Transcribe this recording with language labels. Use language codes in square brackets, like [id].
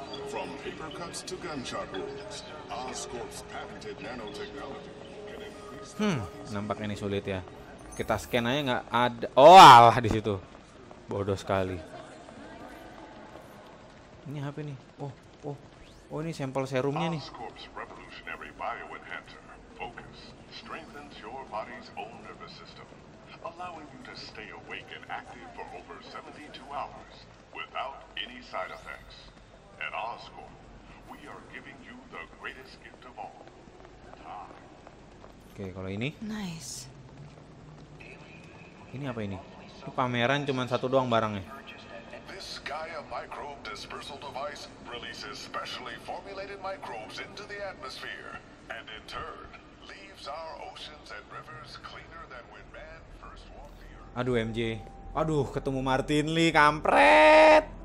[en] From paper cuts to gunshot wounds, Oscorp's patented nanotechnology. [id] Nampak ini sulit ya. Kita scan aja nggak ada. Oh, alah di situ. Bodoh sekali. Ini apa nih? Oh, ini sampel serumnya nih. [en] Oscorp's revolutionary bioenhancer. Focus strengthens your body's own nervous system, allowing you to stay awake and active for over 72 hours without any side effects. At Oscorp, we are giving you the greatest gift of all. Time. [id] Oke, kalau ini. [en] Nice. [id] Ini apa ini? Ini pameran cuma satu doang barangnya. [en] This Gaia microbe dispersal device releases specially formulated microbes into the atmosphere and in turn leaves our oceans and rivers cleaner than when man first walked the earth. [id] Aduh MJ. Aduh, ketemu Martin Lee, kampret.